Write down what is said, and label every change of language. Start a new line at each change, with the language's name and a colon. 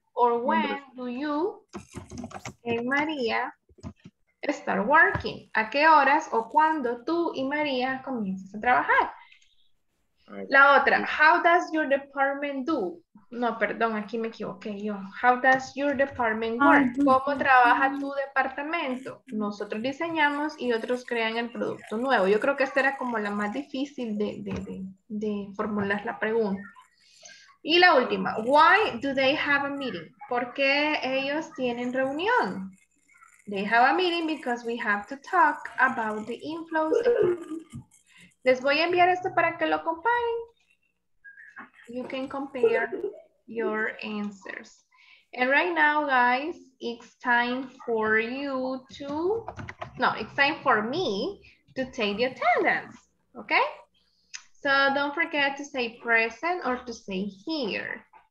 English: Or when do you and María start working?
Spanish: ¿A qué horas o cuándo tú y María comienzas a trabajar? La otra,
English: how does your department do?
Spanish: No, perdón, aquí me equivoqué yo.
English: How does your department work?
Spanish: ¿Cómo trabaja tu departamento? Nosotros diseñamos y otros crean el producto nuevo. Yo creo que esta era como la más difícil de formular la pregunta. Y la última,
English: why do they have a meeting?
Spanish: ¿Por qué ellos tienen reunión?
English: They have a meeting because we have to talk about the inflows.
Spanish: Les voy a enviar esto para que lo comparen.
English: You can compare your answers. And right now, guys, it's time for you to, no, it's time for me to take the attendance, okay? So don't forget to say present or to say here.